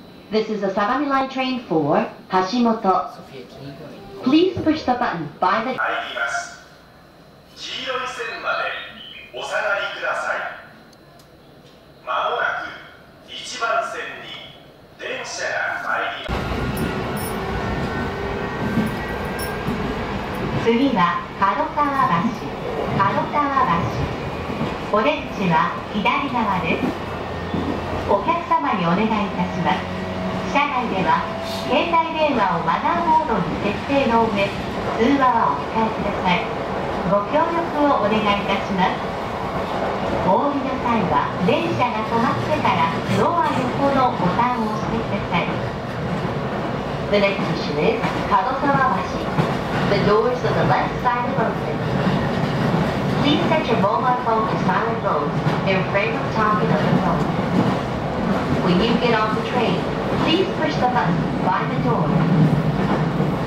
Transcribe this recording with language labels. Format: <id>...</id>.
<en>This is a Sagami Line train for Hashimoto. Please push the button by the...</en> <ja>参ります。黄色い線までお下がりください。まもなく一番線に電車が参ります。次は角川橋。角川橋。お出口は左側です。お客様にお願いいたします。車内では携帯電話をマナーモードに設定の上通話はお控えください。ご協力をお願いいたします。お降りの際は電車が止まってからドア横のボタンを押してください。</ja> <en>The next station is 角川橋。 The doors on the left side are open. Please set your mobile phone to silent mode in front of talking on the phone. When you get off the trainPlease push the button by the door.</en>